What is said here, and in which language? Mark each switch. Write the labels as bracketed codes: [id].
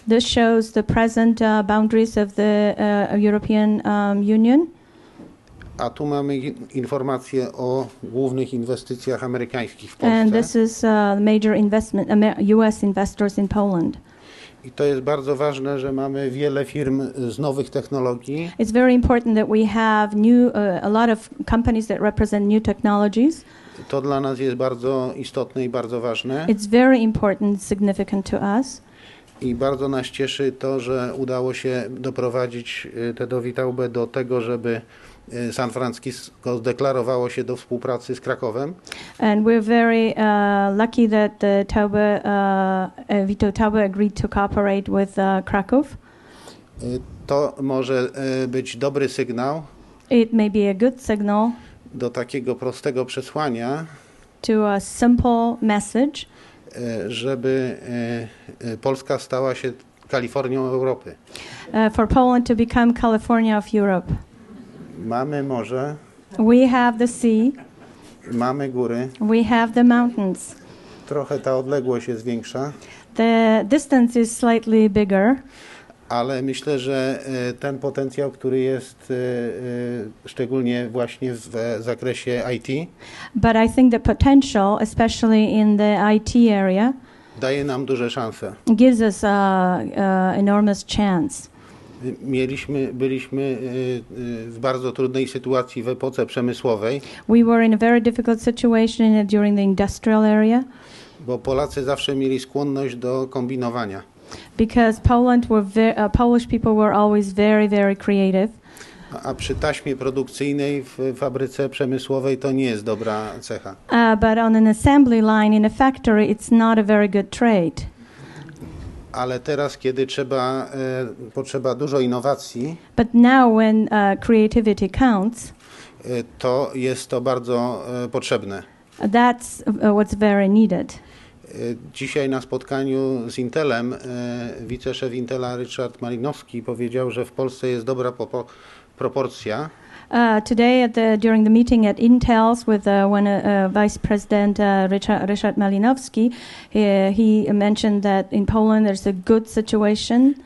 [en] This shows the present boundaries of the European Union. [pl] A tu mamy informacje o głównych inwestycjach amerykańskich w Polsce. [en] And this is major investment US investors in Poland. [pl] I to jest bardzo ważne, że mamy wiele firm z nowych technologii. [en] It's very important that we have new a lot of companies that represent new technologies. [pl] To dla nas jest bardzo istotne i bardzo ważne. [en] It's very important, significant to us. [pl] I bardzo nas cieszy to, że udało się doprowadzić Tedo Witałbę do tego, żeby San Francisco zdeklarowało się do współpracy z Krakowem. [en] And we're very lucky that the Taube, Vito Taube agreed to cooperate with Kraków. [pl] To może być dobry sygnał. [en] It may be a good signal. [pl] Do takiego prostego przesłania. [en] To a simple message. [pl] Żeby Polska stała się Kalifornią Europy. [en] For Poland to become California of Europe. [pl] Mamy morze. [en] We have the sea. [pl] Mamy góry. [en] We have the mountains. [pl] Trochę ta odległość jest większa. [en] The distance is slightly bigger. [pl] Ale myślę, że ten potencjał, który jest szczególnie właśnie w zakresie IT. [en] But I think the potential, especially in the IT area, [pl] daje nam duże szanse. [en] Gives us an enormous chance. [pl] Byliśmy w bardzo trudnej sytuacji w epoce przemysłowej. [en] We were in a very difficult situation during the industrial area. [pl] Bo Polacy zawsze mieli skłonność do kombinowania. [en] Because Poland were Polish people were always very, very creative. [pl] A przy taśmie produkcyjnej w fabryce przemysłowej to nie jest dobra cecha. [en] But on an assembly line in a factory, it's not a very good trait. [pl] Ale teraz, kiedy trzeba, potrzeba dużo innowacji, [en] but now when creativity counts, [pl] to jest to bardzo potrzebne. [en] That's what's very needed. [pl] Dzisiaj na spotkaniu z Intelem wiceszef Intela Richard Malinowski powiedział, że w Polsce jest dobra proporcja. [en] Today at the, during the meeting at Intel's with when Vice President Richard Malinowski, he mentioned that in Poland there's a good situation.